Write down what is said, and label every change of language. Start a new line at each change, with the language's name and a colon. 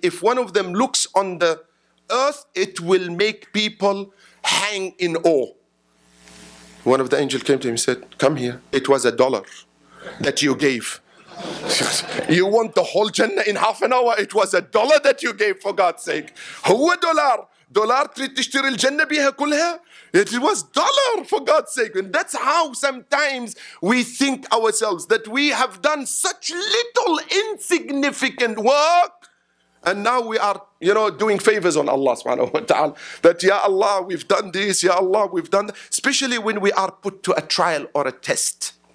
English: If one of them looks on the earth, it will make people hang in awe. One of the angels came to him and said, come here. It was a dollar that you gave. You want the whole Jannah in half an hour? It was a dollar that you gave, for God's sake.
Arabic: هو دولار. دولار تشتري الجنة بها كلها.
English: It was dollar, for God's sake. And that's how sometimes we think ourselves, that we have done such little insignificant work. And now we are, you know, doing favors on Allah subhanahu wa ta'ala. That, Ya Allah, we've done this. Ya Allah, we've done that. Especially when we are put to a trial or a test.